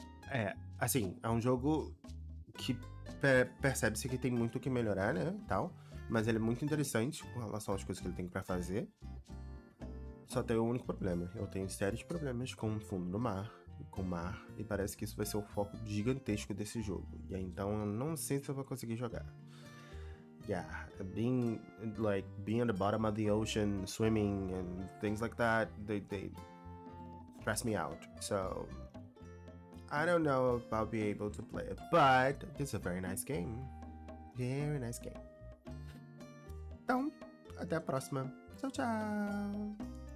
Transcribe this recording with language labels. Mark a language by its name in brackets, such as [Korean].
[Portuguese] É, assim, é um jogo que percebe-se que tem muito o que melhorar, né, tal. Mas ele é muito interessante com relação às coisas que ele tem pra fazer. Só tem um único problema. Eu tenho sérios problemas com o fundo do mar. Com o mar, e parece que isso vai ser o foco gigantesco desse jogo. E aí, então eu não sei se eu vou conseguir jogar. [English] Yeah, being on the bottom of the ocean, swimming and things like that, they stress me out. So I don't know if I'll be able to play it, but it's a very nice game. Very nice game. [Portuguese] Então, até a próxima. Tchau, tchau!